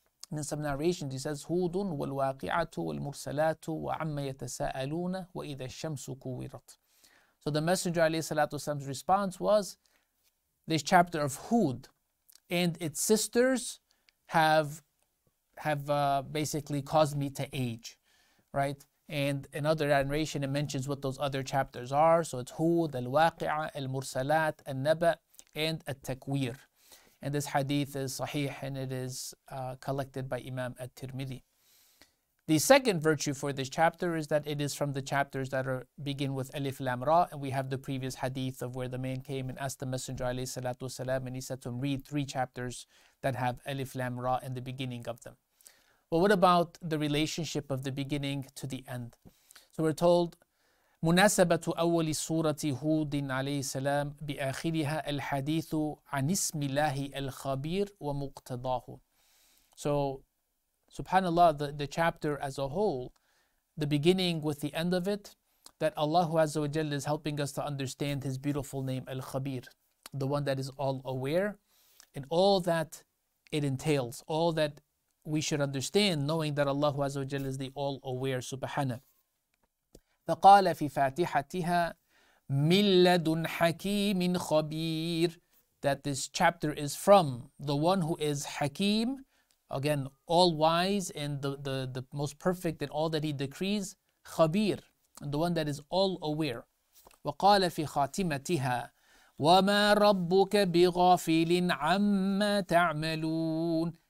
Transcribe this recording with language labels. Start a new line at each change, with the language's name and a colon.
English: And in some narrations, he says,
Arabic: هُودٌ وَالْوَاقِعَةُ وَالْمُرْسَلَاتُ وَعَمَّ يَتَسَاءَلُونَ وَإِذَا الشَّمْسُ كُوِّرَتْ.
English: So the Messenger عليه الصلاة والسلام's response was, this chapter of Hud and its sisters have basically caused me to age, right? And in other narration, it mentions what those other chapters are. So it's Hud, Al-Waqi'ah, Al-Mursalat, Al-Naba', and Al-Takwir. And this hadith is sahih, and it is collected by Imam At-Tirmidhi. The second virtue for this chapter is that it is from the chapters that are begin with Alif Lam Ra, and we have the previous hadith of where the man came and asked the Messenger alayhi salatu wasalam, and he said to him, read three chapters that have Alif Lam Ra in the beginning of them. But what about the relationship of the beginning to the end? So we're told,
Arabic: مُنَاسَبَةُ أَوَّلِ سُورَةِ هُودٍ عَلَيْهِ السَّلَامِ بِآخِرِهَا الْحَدِيثُ عَنِ اسْمِ اللَّهِ الْخَبِيرُ وَمُقْتَضَاهُ.
English: So, subhanAllah, the chapter as a whole, the beginning with the end of it, that Allah Azza wa Jalla is helping us to understand His beautiful name, Al-Khabir, the one that is all aware, and all that it entails, all that we should understand, knowing that Allah Azza wa Jalla is the all-aware, subhanAllah.
Arabic: فقال في فاتحتها من لدن حكيم خبير.
English: That this chapter is from the one who is Hakim, again, all wise and the most perfect in all that he decrees, خبير, and the one that is all aware.
Arabic: وقال في خاتمتها وما ربك بغافل عما تعملون.